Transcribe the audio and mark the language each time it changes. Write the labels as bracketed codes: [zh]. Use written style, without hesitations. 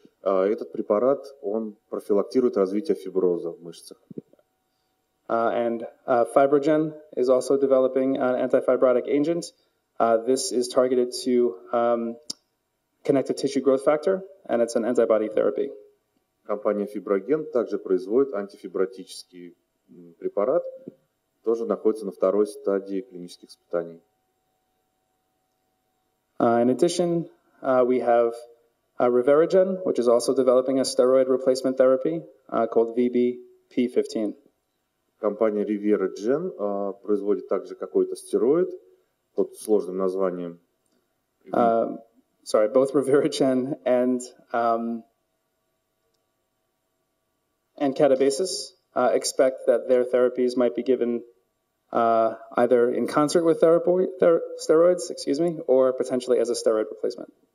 [ru] Этот препарат, он профилактирует развитие фиброза в мышцах. [en] And Fibrogen is also developing an antifibrotic agent. This is targeted to connective tissue growth factor, and it's an antibody therapy. [ru] Компания Fibrogen также производит антифибротический препарат, тоже находится на второй стадии клинических испытаний. [en] In addition, we have Reverigen, which is also developing a steroid replacement therapy called VBP15. [ru] Компания ReveraGen производит также какой-то стероид под сложным названием. [en] Sorry, both ReveraGen and Catabasis expect that their therapies might be given either in concert with steroids, excuse me, or potentially as a steroid replacement.